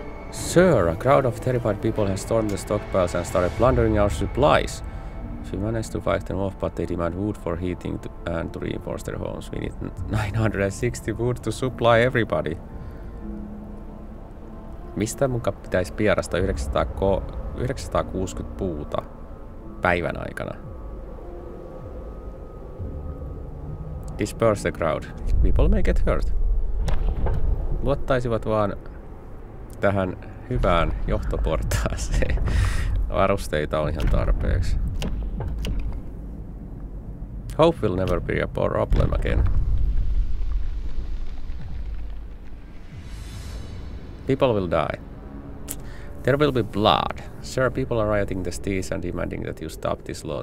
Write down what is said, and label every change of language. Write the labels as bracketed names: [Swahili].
[English] Sir, a crowd of terrified people has stormed the stockpiles and started plundering our supplies. We managed to fight them off, but they demand wood for heating and to reinforce their homes. We need 960 wood to supply everybody. [Finnish] Mistä mun pitäisi pierasta 960 puuta päivän aikana? [English] Disperse the crowd. People may get hurt. [Finnish] Luottaisivat vaan tähän hyvään johtoportaaseen. Varusteita on ihan tarpeeksi. [English] Hope will never be a problem again. People will die. There will be blood. Sir, people are rioting the streets and demanding that you stop this law.